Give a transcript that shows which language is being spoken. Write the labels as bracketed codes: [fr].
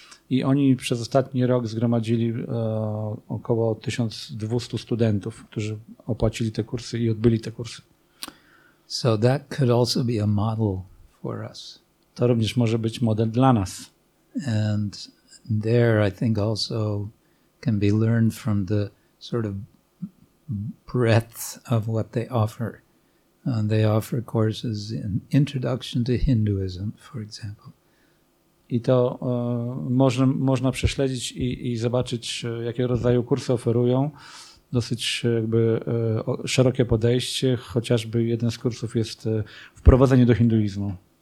[pl] I oni przez ostatni rok zgromadzili około 1200 studentów, którzy opłacili te kursy i odbyli te kursy. [en] So that could also be a model for us. [pl] To również może być model dla nas. [en] And there I think also can be learned from the sort of breadth of what they offer. They offer courses in introduction to Hinduism, for example. [pl] I to można prześledzić i zobaczyć, jakie rodzaju kursy oferują. Dosyć jakby szerokie podejście, chociażby jeden z kursów jest wprowadzenie do hinduizmu.